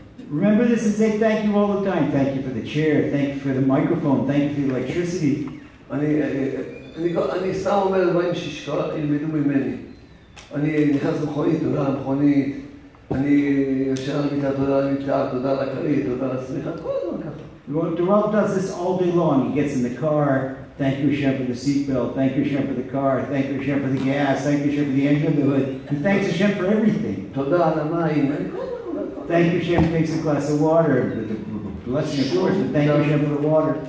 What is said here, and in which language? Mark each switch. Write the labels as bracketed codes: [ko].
[en] Remember this and say thank you all the time. Thank you for the chair, thank you for the microphone, thank you for the electricity. [he] אני סתם אומר דברים שילמדו ממני. אני נכנס למכונית, תודה על המכונית. אני יושב על המיטה, תודה על המיטה, תודה על הכרית, תודה על הצמיחה, כל הזמן ככה. [en] The Rav does this all day long. He gets in the car, thank you Hashem for the seatbelt, thank you Hashem for the car, thank you Hashem for the gas, thank you Hashem for the engine of the hood. He thanks Hashem for everything. [he] תודה על המים. [en] Thank you, Hashem, takes a glass of water. The blessing, of course, but thank you, Hashem, for the water.